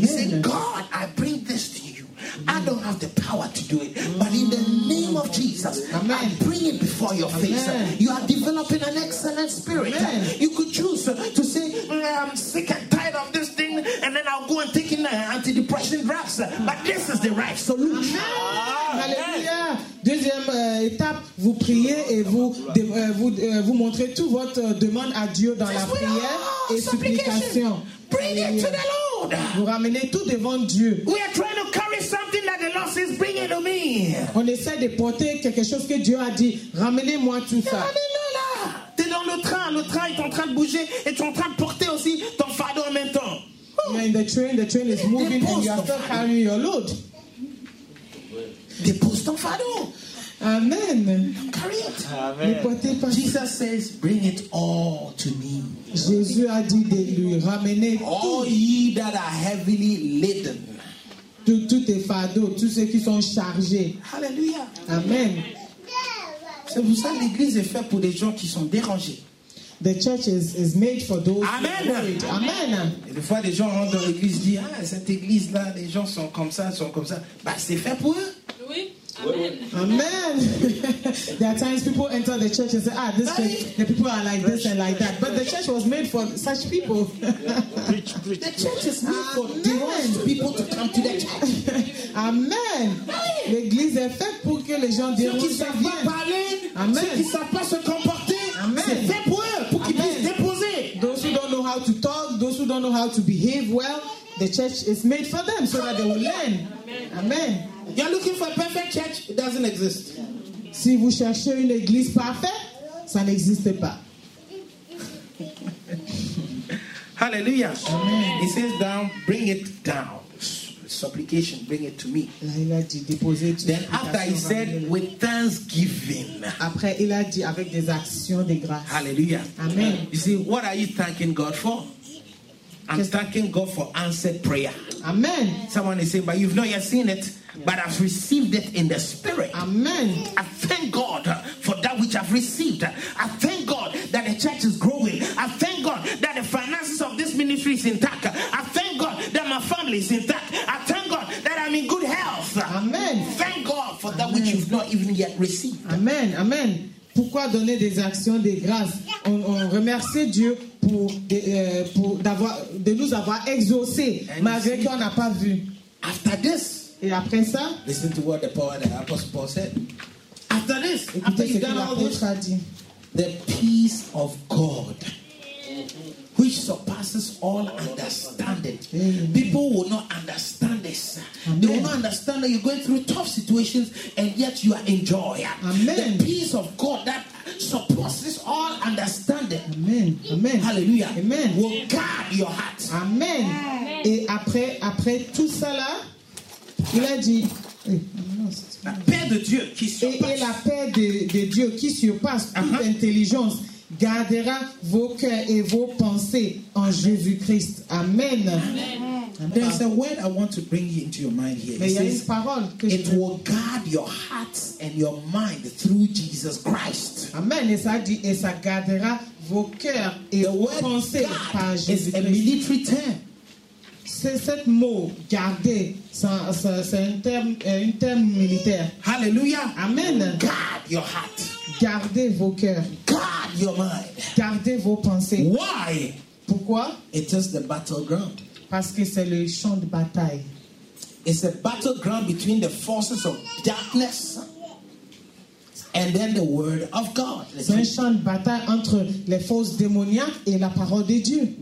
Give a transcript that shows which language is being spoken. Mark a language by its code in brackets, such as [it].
[en] He said, God, I bring this to you. Amen. I don't have the power to do it. But in the name of Jesus, amen, I bring it before your face. Amen. You are developing an excellent spirit. Amen. You could choose to say, I'm sick and tired of this thing, and then I'll go and take in antidepressant drugs. But this is the right solution. Amen. Hallelujah. [fr] Deuxième étape, vous priez et vous montrez toute votre demande à Dieu dans la prière et supplication. [en] Bring it to the Lord. [fr] Vous ramenez tout devant Dieu. [en] We are trying to carry something that the Lord says bring it to me. [fr] On essaie de porter quelque chose que Dieu a dit. Ramenez-moi tout ça. T'es dans le train est en train de bouger et tu es en train de porter aussi ton fardeau en même temps. [en] You're in the train is moving and you are still carrying your load. [fr] Dépose ton fardeau. Amen. [en] Amen. Jesus says, bring it all to me. [fr] Jésus a dit de lui ramener [en] all ye that are heavily laden. [fr] Tous tes fardeaux, tous ceux qui sont chargés. Alléluia. Amen. C'est pour ça que l'église est faite pour des gens qui sont dérangés. [en] The church is made for those. Amen. Amen. [fr] Et des fois, des gens rentrent dans l'église et disent, ah, cette église-là, les gens sont comme ça. Bah, c'est fait pour eux. Oui. Amen. Amen. [en] There are times people enter the church and say, ah, this church, the people are like this and like that. But the church was made for such people. The church is made for divine people to come to the church. [fr] Amen. L'église est faite pour que les gens disent, ceux qui ne savent pas parler, amen, ceux qui ne savent pas se comporter, amen, c'est fait pour eux, pour qu'ils puissent déposer. [en] Those who don't know how to talk, those who don't know how to behave well, the church is made for them so that they will learn. Amen. You're looking for a perfect church, it doesn't exist. [fr] Si vous cherchez une église parfaite, ça n'existe pas. [en] Hallelujah. Amen. He says down, bring it down. Supplication, bring it to me. [fr] Là, il a dit, déposez. [en] Then after he said, with thanksgiving. [fr] Après, il a dit, avec des actions de grâce. [en] Hallelujah. Amen. You see, what are you thanking God for? I'm thanking God for answered prayer. Amen. Someone is saying, but you've not yet seen it, but I've received it in the spirit. Amen. I thank God for that which I've received. I thank God that the church is growing. I thank God that the finances of this ministry is intact. I thank God that my family is intact. I thank God that I'm in good health. Amen. Thank God for that which you've not even yet received. [fr] Amen. Amen. Pourquoi donner des actions de grâce? On remercie Dieu pour nous avoir exaucé malgré qu'on n'a pas vu. [en] After this, [fr] et après ça, [en] listen to what the Paul said. After this, [fr] écoutez [en] after [fr] ce que l'apôtre a dit. [en] The peace of God, which surpasses all understanding. Amen. People will not understand this. Amen. They will not understand that you're going through tough situations and yet you are in joy. Amen. The peace of God that surpasses all understanding. Amen. Amen. Hallelujah. Amen. Will guard your heart. Amen. Amen. [fr] Et après tout ça là, il a dit, la paix de Dieu qui surpasse et la paix de Dieu qui surpasse toute intelligence gardera vos cœurs et vos pensées en Jésus-Christ. Amen. [en] Amen. There's a word I want to bring into your mind here. [fr] Mais il y a une parole que [en] it [fr] je... [en] will guard your heart and your mind through Jesus Christ. Amen. [fr] Et ça dit, et ça gardera vos cœurs et [en] the [fr] vos pensées [en] God [fr] par Jésus-Christ. [en] A military term. [fr] Cet mot garder, c'est un terme militaire. [en] Hallelujah. Amen. Guard your heart. [fr] Gardez vos cœurs. [en] Guard your mind. [fr] Gardez vos pensées. [en] Why? [fr] Pourquoi? [en] It is the battleground. [fr] Parce que c'est le champ de bataille. [en] It's a battleground between the forces of darkness and then the word of God. [fr] C'est un champ de bataille entre les forces démoniaques et la parole de Dieu.